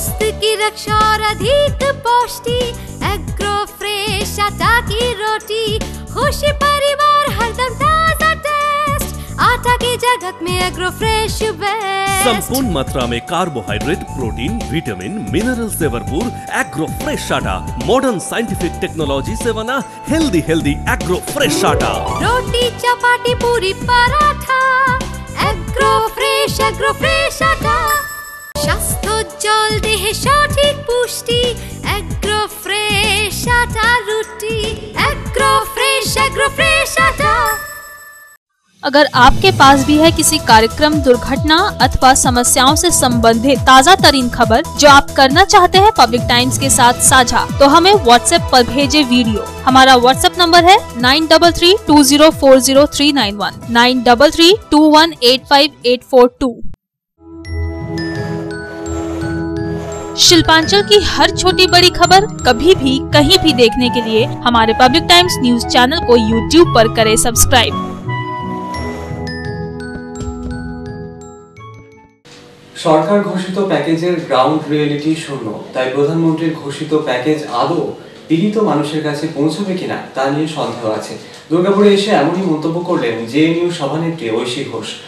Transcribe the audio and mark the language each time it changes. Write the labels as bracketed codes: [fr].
[hi] अधिक पौष्टिक agro fresh आटा की रोटी, खुशी परिवार हरदम ताजा टेस्ट, आटा की जगत में एग्रो फ्रेश बेस्ट। संपूर्ण मात्रा में कार्बोहाइड्रेट प्रोटीन विटामिन मिनरल्स से भरपूर एग्रो फ्रेश आटा, मॉडर्न साइंटिफिक टेक्नोलॉजी से बना हेल्दी हेल्दी एग्रो फ्रेश आटा। रोटी चपाती पूरी paratha agro fresh, agro fresh आटा [bn] স্বাস্থ্যোজ্জ্বল দেহে সঠিক পুষ্টি এগ্রো ফ্রেশ আটা রুটি এগ্রো ফ্রেশ, এগ্রো ফ্রেশ আটা। [hi] अगर आपके पास भी है किसी कार्यक्रम, दुर्घटना अथवा समस्याओं से संबंधित ताज़ा तरीन खबर जो आप करना चाहते हैं पब्लिक टाइम्स के साथ साझा, तो हमें व्हाट्सएप पर भेजे वीडियो। हमारा व्हाट्सएप नंबर है 9332040391 9332185842। शिल्पांचल की हर छोटी बड़ी खबर कभी भी कहीं भी देखने के लिए हमारे पब्लिक टाइम्स न्यूज चैनल को यूट्यूब पर करें सब्सक्राइब। सरकार घोषित पैकेज ग्राउंड रियलिटी शून्य, [bn] তাই প্রধানমন্ত্রীর ঘোষিত প্যাকেজ আলো পীড়িত মানুষের কাছে পৌঁছবে কিনা তা নিয়ে সন্দেহ আছে। দুর্গাপুরে এসে এমনই মন্তব্য করলেন জেএনইউ সভানেত্রী ঐশী ঘোষ।